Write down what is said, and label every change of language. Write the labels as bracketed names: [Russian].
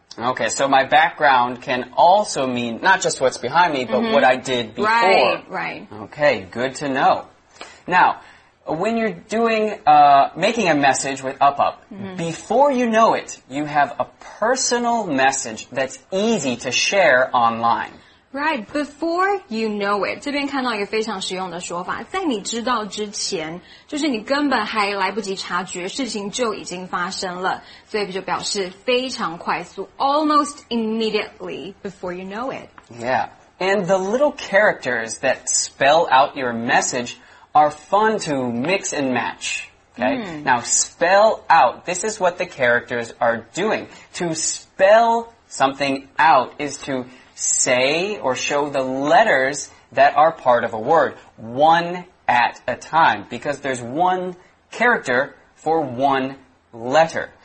[English] Okay, so my background can also mean not just what's behind me, but what I did before. Right. Okay, good to know. Now, when you're doing, making a message with UpUp, before you know it, you have a personal message that's easy to share online. Right, before you know it. [Chinese] 这边看到一个非常实用的说法，在你知道之前，就是你根本还来不及察觉，事情就已经发生了。所以就表示非常快速 [English] almost immediately before you know it. Yeah, and the little characters that spell out your message are fun to mix and match. Okay? Now, spell out. This is what the characters are doing. To spell something out is to say or show the letters that are part of a word, one at a time, because there's one character for one letter.